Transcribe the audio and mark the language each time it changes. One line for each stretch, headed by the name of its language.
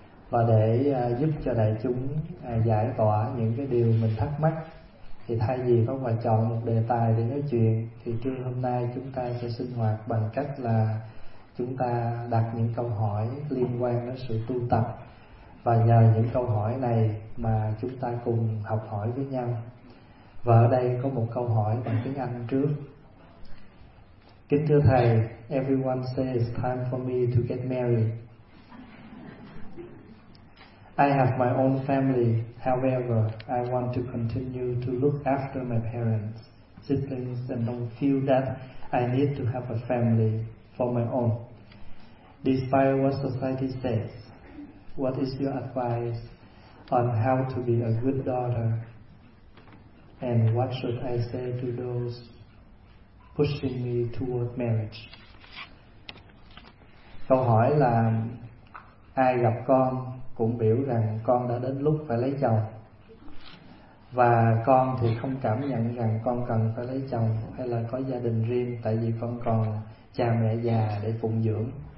Vietnamese: Và để giúp cho đại chúng giải tỏa những cái điều mình thắc mắc, thì thay vì Pháp Hòa chọn một đề tài để nói chuyện, thì trưa hôm nay chúng ta sẽ sinh hoạt bằng cách là chúng ta đặt những câu hỏi liên quan đến sự tu tập. Và nhờ những câu hỏi này mà chúng ta cùng học hỏi với nhau. Và ở đây có một câu hỏi bằng tiếng Anh trước. Kính thưa Thầy,
English: everyone says it's time for me to get married. I have my own family, however, I want to continue to look after my parents, siblings, and don't feel that I need to have a family for my own, despite what society says. What is your advice on how to be a good daughter, and what should I say to those pushing me toward marriage?
Vietnamese: Câu hỏi là, ai gặp con cũng biểu rằng con đã đến lúc phải lấy chồng, và con thì không cảm nhận rằng con cần phải lấy chồng hay là có gia đình riêng, tại vì con còn cha mẹ già để phụng dưỡng.